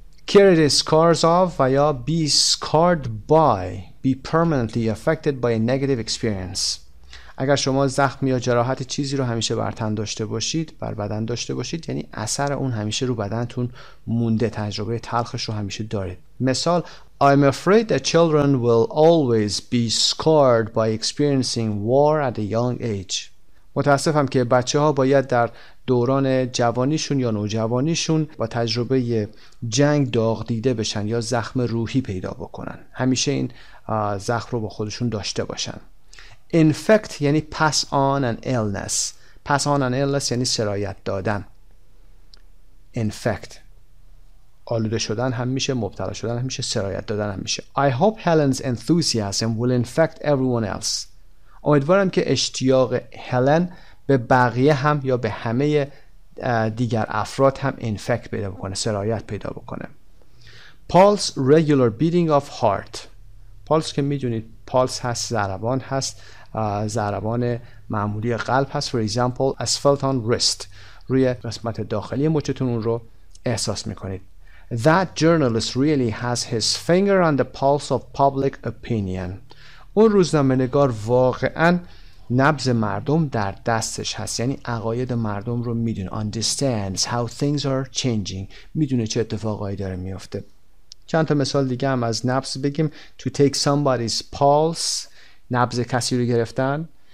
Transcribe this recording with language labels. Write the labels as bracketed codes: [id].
[en] Carry the scars of [fa] و یا [en] be scarred by، be permanently affected by a negative experience. [fa] اگر شما زخم یا جراحت چیزی رو همیشه بر تن داشته باشید، بر بدن داشته باشید، یعنی اثر اون همیشه رو بدنتون مونده، تجربه تلخش رو همیشه دارید. [en] مثال: I'm afraid that children will always be scarred by experiencing war at a young age. [fa] متاسفم که بچه‌ها باید در دوران جوانیشون یا نوجوانیشون با تجربه جنگ داغ دیده بشن یا زخم روحی پیدا بکنن. همیشه این زخم رو با خودشون داشته باشن. [en] Infect یعنی pass on an illness. Pass on an illness [fa] یعنی سرایت دادن. [en] Infect. [fa] آلوده شدن هم میشه، مبتلا شدن هم میشه، سرایت دادن هم میشه. [en] I hope Helen's enthusiasm will infect everyone else. [fa] امیدوارم که اشتیاق هلن به بقیه هم یا به همه دیگر افراد هم infect پیدا بکنه، سرایت پیدا بکنه. [en] Pulse, regular beating of heart. [fa] پالس که میدونید پالس هست، ضربان هست، ضربان معمولی قلب هست. [en] For example, as felt on wrist، [fa] روی قسمت داخلی مچتون اون رو احساس میکنید. [en] That journalist really has his finger on the pulse of public opinion. [fa] اون روزنامه‌نگار واقعا نبض مردم در دستش هست، یعنی عقاید مردم رو میدونه. [en] Understands how things are changing، [fa] میدونه چه اتفاقایی داره میفته. چند تا مثال دیگه هم از نبض بگیم. [en] To take somebody's pulse، [fa] نبض کسی رو گرفتن.